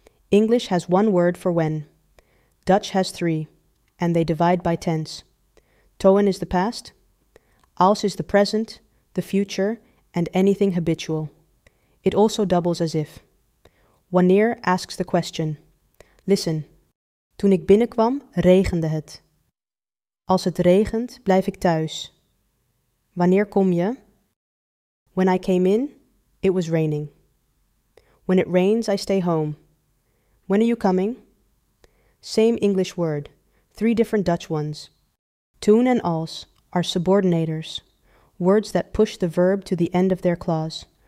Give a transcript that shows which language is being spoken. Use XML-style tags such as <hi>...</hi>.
<en>English has one word for when. Dutch has three, and they divide by tense. Toen is the past, als is the present, the future, and anything habitual. It also doubles as if. Wanneer asks the question. Listen.</en> <nl>Toen ik binnenkwam, regende het. Als het regent, blijf ik thuis. Wanneer kom je?</nl> <en>When I came in, it was raining. When it rains, I stay home. When are you coming? Same English word, three different Dutch ones. Toen and als are subordinators, words that push the verb to the end of their clause.</en>